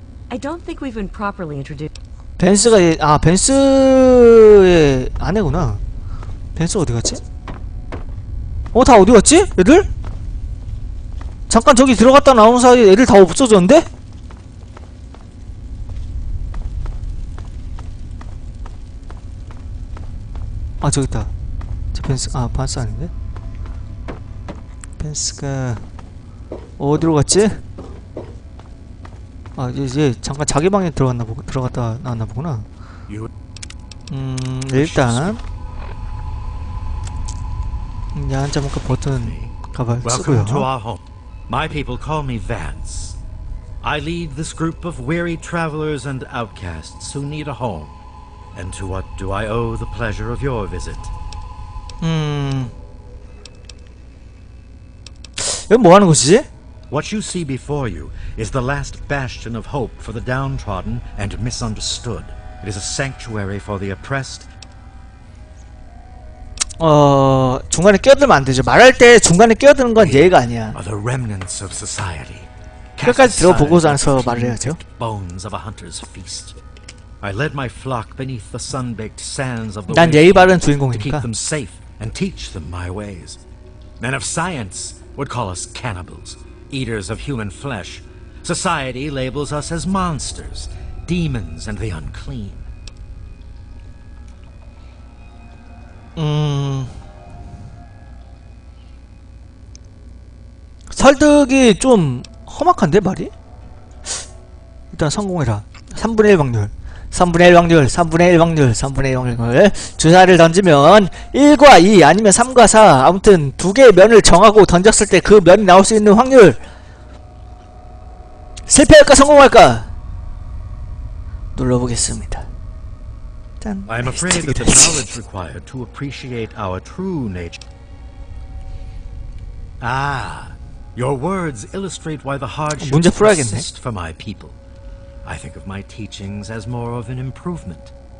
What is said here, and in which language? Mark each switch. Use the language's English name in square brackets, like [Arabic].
[English] I don't think we've been properly introduced. [Korean] 벤스가 벤스의 아내구나. 벤스 어디 갔지? 다 어디 갔지? 애들? 잠깐 저기 들어갔다 나온 사이에 애들 다 없어졌는데? 아 저기 있다. 저 벤스 반스 아닌데? 벤스가 어디로 갔지? 아 이제 잠깐 자기 방에 들어갔나 보고 들어갔다 나왔나 보구나. 일단 야한 자물쇠 버튼 가발 쓰고요. [English] Welcome to our home. My people call me Vance. I lead this group of weary travelers and outcasts who need a home. And to what do I owe the pleasure of your visit? [Korean] 이건 뭐 하는 곳이지? [English] What you see before you is the last bastion of hope for the downtrodden and misunderstood. It is a sanctuary for the oppressed. [Korean] 중간에 끼어들면 안 되죠. 말할 때 중간에 끼어드는 건 예의가 아니야. [English] Are the remnants of society. [Korean] 끝까지 들어보고서 말을 해야죠. [English] Bones of a hunter's feast. I led my flock beneath the sun-baked sands of the. [Korean] 난 예의 바른 주인공이니까. [English] To keep them safe and teach them my ways. Men of science would call us cannibals, eaters of human flesh. Society labels us as monsters, demons, and the unclean. [Korean] 설득이 좀 험악한데 말이? 일단 성공해라. 3분의 1 확률. 3분의 1 확률, 3분의 1 확률, 3분의 1 확률. 주사를 던지면 1과 2 아니면 3과 4 아무튼 두 개의 면을 정하고 던졌을 때 그 면이 나올 수 있는 확률. 실패할까 성공할까 눌러보겠습니다. 짠. [English] I'm afraid that the knowledge required to appreciate our true nature. Your words illustrate why the hardships persist for my people. I think of my teachings as more of an improvement.